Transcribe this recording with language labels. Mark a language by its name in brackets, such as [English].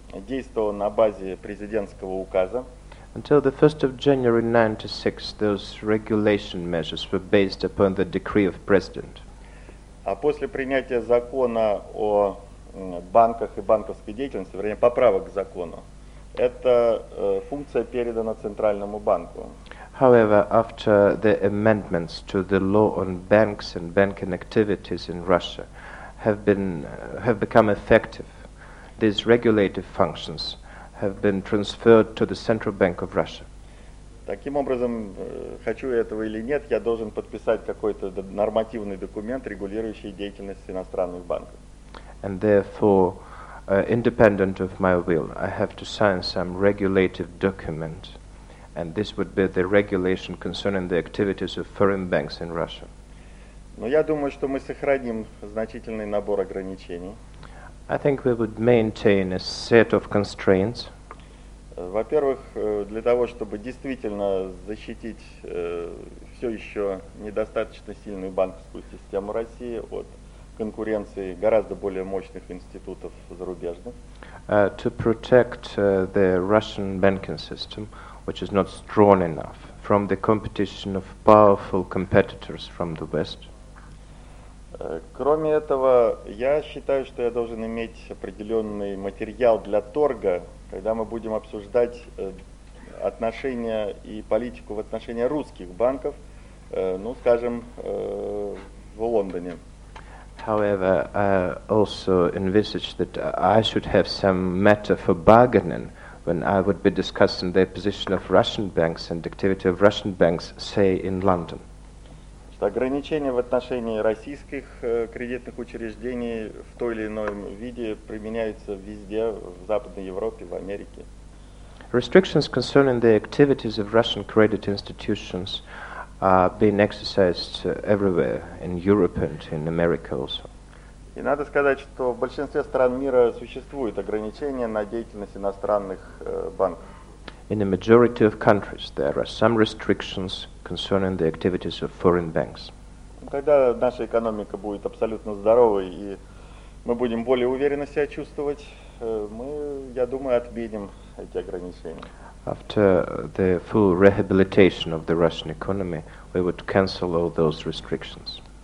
[Russian] действовал на базе президентского указа. [English] Until the 1st of January 96, those regulation measures were based upon the decree of president. [Russian] А после принятия закона о банках и банковской деятельности, вернее, поправок к закону, эта функция передана Центральному банку. [English] However, after the amendments to the law on banks and banking activities in Russia have become effective, these regulative functions have been transferred to the Central Bank of Russia. [Russian] Таким образом, хочу этого или нет, я должен подписать какой-то нормативный документ, регулирующий деятельность иностранных банков. [English] And therefore, independent of my will, I have to sign some regulative document, and this would be the regulation concerning the activities of foreign banks in Russia. [Russian] Но я думаю, что мы сохраним значительный набор ограничений. [English] I think we would maintain a set of constraints. [Russian] Во-первых, для того, чтобы действительно защитить все еще недостаточно сильную банковскую систему России от конкуренции гораздо более мощных институтов зарубежных. [English] To protect the Russian banking system, which is not strong enough, from the competition of powerful competitors from the West. [Russian] Кроме этого, я считаю, что я должен иметь определенный материал для торга, когда мы будем обсуждать отношения и политику в отношении русских банков, ну, скажем, в Лондоне. [English] However, I also envisage that I should have some matter for bargaining when I would be discussing the position of Russian banks and activity of Russian banks, say, in London. [Russian] Ограничения в отношении российских кредитных учреждений в той или ином виде применяются везде, в Западной Европе, в Америке. [English] Restrictions concerning the activities of Russian credit institutions are being exercised everywhere, in Europe and in America also. [Russian] И надо сказать, что в большинстве стран мира существуют ограничения на деятельность иностранных банков. [English] In a majority of countries, there are some restrictions concerning the activities of foreign banks. [Russian] Когда наша экономика будет абсолютно здоровой и мы будем более уверенно себя чувствовать, мы, я думаю, отменим эти ограничения. [English] After the full rehabilitation of the Russian economy, we would cancel all those restrictions.